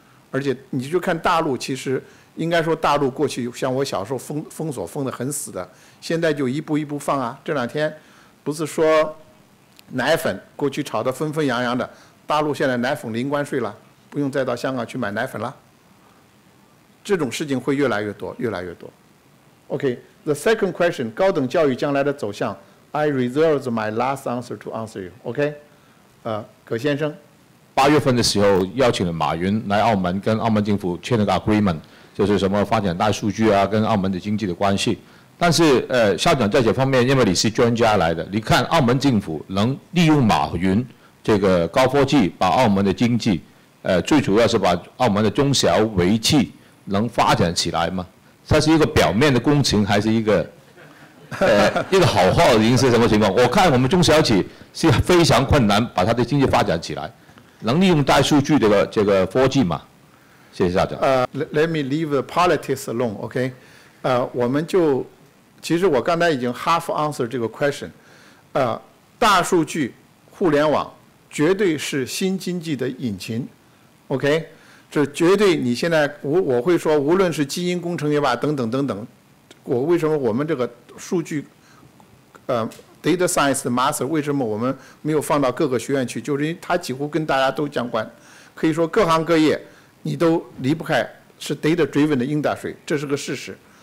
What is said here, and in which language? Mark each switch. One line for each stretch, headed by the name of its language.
Chinese: 而且你就看大陆，其实应该说大陆过去像我小时候封锁封得很死的，现在就一步一步放啊。这两天不是说奶粉过去炒得纷纷扬扬的，大陆现在奶粉零关税了，不用再到香港去买奶粉了，这种事情会越来越多越来越多。
English: OK, the second question,
Chinese: 高等教育将来的走向，
English: I reserve my last answer to answer you.
Chinese: OK,葛先生，八月份的时候邀请了马云来澳门，跟澳门政府签了个 agreement, 就是什么发展大数据啊，跟澳门的经济的关系。但是校长在这方面，因为你是专家来的，你看澳门政府能利用马云这个高科技把澳门的经济，最主要是把澳门的中小微企能发展起来吗？它是一个表面的工程，还是一个一个好话，已经是什么情况？我看我们中小企是非常困难把它的经济发展起来，能利用大数据的这个科技吗？谢谢校长。
English: Let me leave the politics alone, OK?
Chinese: 我们就其实我刚才已经
English: half answer
Chinese: 这个 question, 大数据互联网绝对是新经济的引擎 ，OK? 这绝对你现在我会说，无论是基因工程也罢，等等等等，我为什么我们这个数据，data science 的 master 为什么我们没有放到各个学院去，就是因为它几乎跟大家都相关，可以说各行各业你都离不开是 data driven 的 industry, 这是个事实。